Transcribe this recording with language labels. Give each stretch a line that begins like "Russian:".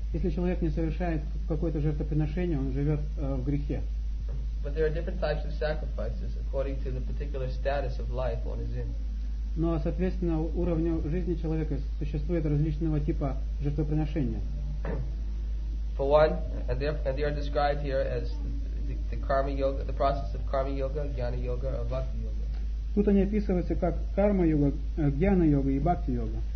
Russian: Если человек не совершает какое-то жертвоприношение, он живет в грехе.
English: But there are different types of sacrifices according to the particular status of life one is in.
Russian: Но соответственно уровню жизни человека существует различного типа жертвоприношения.
English: For one, and they are described here as the karma yoga, the process of karma yoga, jnana yoga, or bhakti yoga.
Russian: Тут они описываются как карма йога, джнана йога и бхакти йога.